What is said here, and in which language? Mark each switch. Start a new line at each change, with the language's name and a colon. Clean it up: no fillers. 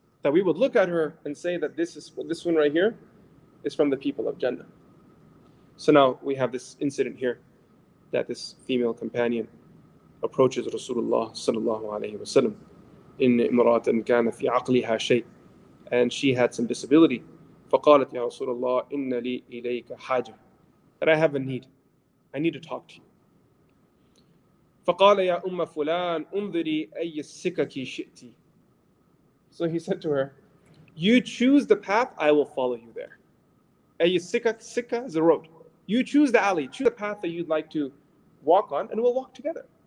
English: That we would look at her and say that this one right here is from the people of Jannah. So now we have this incident here that this female companion approaches Rasulullah sallallahu alayhi wa sallam.
Arabic: In Imrat and Kana fi aqliha shay,
English: and she had some disability.
Arabic: فَقَالَتْ يَا رَسُولَ اللَّهِ إِنَّ لِي إِلَيْكَ حَاجَةً,
English: that I have a need. I need to talk to you.
Arabic: فَقَالَ يَا أُمَّ فُلَانْ أُنْذِرِي أَيِّ السِّكَكِ شِئْتِ.
English: So he said to her, you choose the path, I will follow you there.
Arabic: أَيِّ السِّكَكِ,
English: sikka is a road. You choose the alley, choose the path that you'd like to walk on, and we'll walk together.